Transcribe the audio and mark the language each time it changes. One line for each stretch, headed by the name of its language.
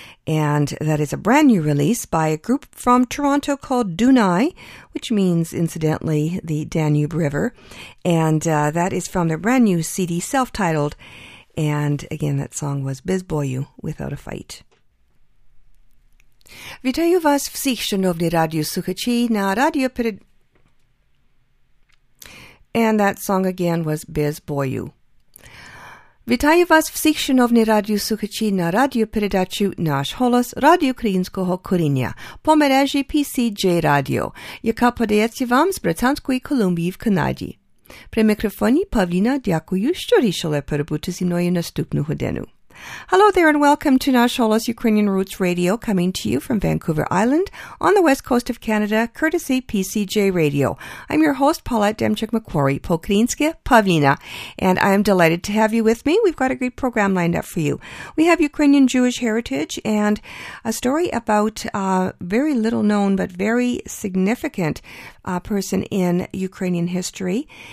English: And that is a brand new release by a group from Toronto called Dunai, which means, incidentally, the Danube River. And that is from their brand new CD, self-titled. And again, that song was Bez Boyu, without a fight.
Ukrainian: Вітаю вас всіх, шановні радіослухачі, на радіо перед...
English: And that song again was Без Бою.
Ukrainian: Вітаю вас всіх, шановні радіослухачі, на радіопередачу «Наш голос» Радіо Українського коріння по мережі PCJ Radio, яка подається вам з Британської Колумбії в Канаді. При мікрофоні Павліна, дякую, що рішили перебути зі мною наступну годину.
English: Hello there and welcome to Nash Holos Ukrainian Roots Radio, coming to you from Vancouver Island on the west coast of Canada, courtesy PCJ Radio. I'm your host, Paulette Demchuk-McQuarrie, Pokrinske Pavlina, and I am delighted to have you with me. We've got a great program lined up for you. We have Ukrainian Jewish heritage and a story about a very little known but very significant person in Ukrainian history.